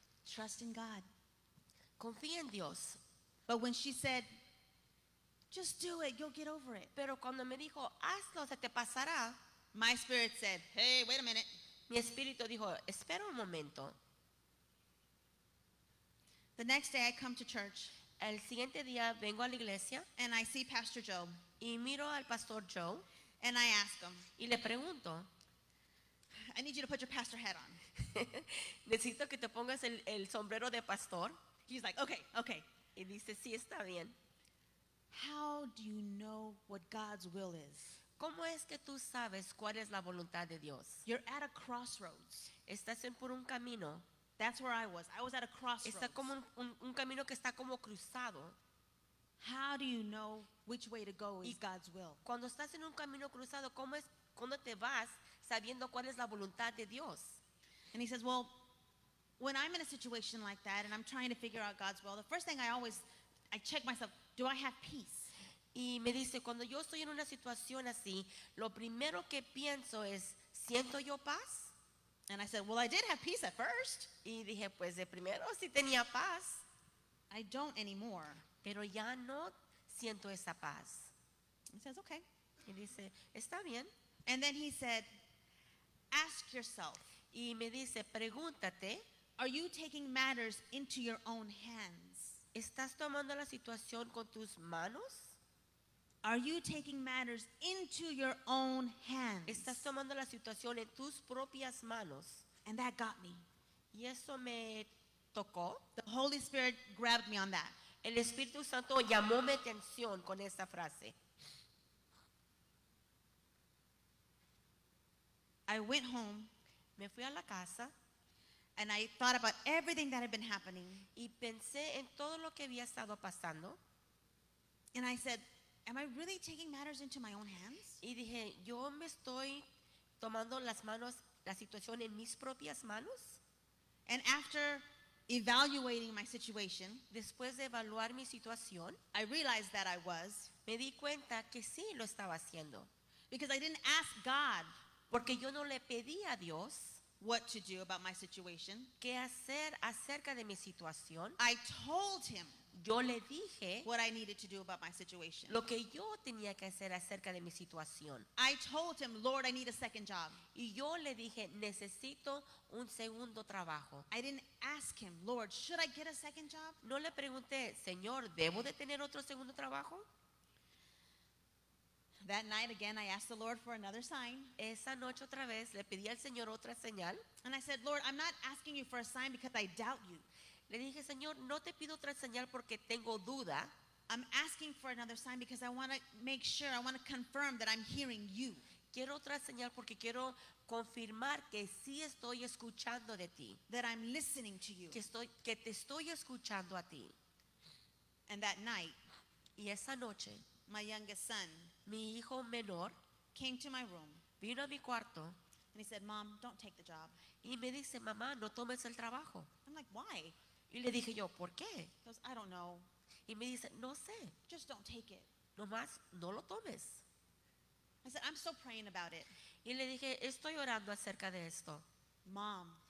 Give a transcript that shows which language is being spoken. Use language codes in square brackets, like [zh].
[en] Trust in God. [es] Confía en Dios. [en] But when she said, just do it, you'll get over it. [es] Pero cuando me dijo, hazlo, se te pasará. [en] My spirit said, hey, wait a minute. [es] Mi espíritu dijo, espera un momento. [en] The next day I come to church. [es] El siguiente día vengo a la iglesia. [en] And I see Pastor Joe. [es] Y miro al Pastor Joe. [en] And I ask him. [es] Y le pregunto. [en] I need you to put your pastor hat on. [es] Necesito que te pongas el sombrero de pastor. [en] He's like, okay. [es] Y dice, sí, está bien. [en] How do you know what God's will is? [es] ¿Cómo es que tú sabes cuál es la voluntad de Dios? [en] You're at a crossroads. [es] Estás en por un camino. [en] That's where I was. I was at a crossroads. [es] Está como un camino que está como cruzado. [en] How do you know which way to go is God's will? [es] Cuando estás en un camino cruzado, ¿cómo es cuando te vas sabiendo cuál es la voluntad de Dios? [en] And he says, well, when I'm in a situation like that and I'm trying to figure out God's will, the first thing I check myself, do I have peace? [es] Y me dice, cuando yo estoy en una situación así, lo primero que pienso es, ¿siento yo paz? [en] And I said, well, I did have peace at first. [es] Y dije, pues de primero sí tenía paz. [en] I don't anymore. [es] Pero ya no siento esa paz. [en] He says, okay. [es] Y dice, está bien. [en] And then he said, ask yourself. [es] Y me dice, pregúntate. [en] Are you taking matters into your own hands? [es] ¿Estás tomando la situación con tus manos? [en] Are you taking matters into your own hands? [es] ¿Estás tomando la situación en tus propias manos? [en] And that got me. [es] Y eso me tocó. [en] The Holy Spirit grabbed me on that. [es] El Espíritu Santo llamó mi atención con esta frase. [en] I went home. [es] Me fui a la casa. [en] And I thought about everything that had been happening. [es] Y pensé en todo lo que había estado pasando. [en] And I said, am I really taking matters into my own hands? [es] Y dije, yo me estoy tomando las manos, la situación en mis propias manos. [en] And after evaluating my situation, [es] después de evaluar mi situación, [en] I realized that I was, [es] me di cuenta que sí lo estaba haciendo. [en] Because I didn't ask God, [es] porque yo no le pedí a Dios, [en] what to do about my situation. [es] ¿Qué hacer acerca de mi situación? [en] I told him, [es] yo le dije, [en] what I needed to do about my situation. [es] Lo que yo tenía que hacer acerca de mi situación. [en] I told him, Lord, I need a second job. [es] Y yo le dije, necesito un segundo trabajo. [en] I didn't ask him, Lord, should I get a second job? [es] No le pregunté, Señor, ¿debo de tener otro segundo trabajo? [en] That night again, I asked the Lord for another sign. [es] Esa noche otra vez le pedí al Señor otra señal. [en] And I said, Lord, I'm not asking you for a sign because I doubt you. [es] Le dije, Señor, no te pido otra señal porque tengo duda. [en] I'm asking for another sign because I want to make sure, I want to confirm that I'm hearing you. [es] Quiero otra señal porque quiero confirmar que sí estoy escuchando de ti. [en] That I'm listening to you. [es] Que te estoy escuchando a ti. [en] And that night, [es] y esa noche, [en] my youngest son, [es] mi hijo menor, [en] came to my room, [es] vino a mi cuarto, [en] and he said, Mom, don't take the job. [es] Y me dice, mamá, no tomes el trabajo. [en] I'm like, why? [es] Y le dije yo, ¿por qué? [en] He goes, I don't know. [es] Y me dice, no sé. [en] Just don't take it. [es] Nomás, no lo tomes. [en] I said, I'm still praying about it. [es] Y le dije, estoy orando acerca de esto. [en] Mom.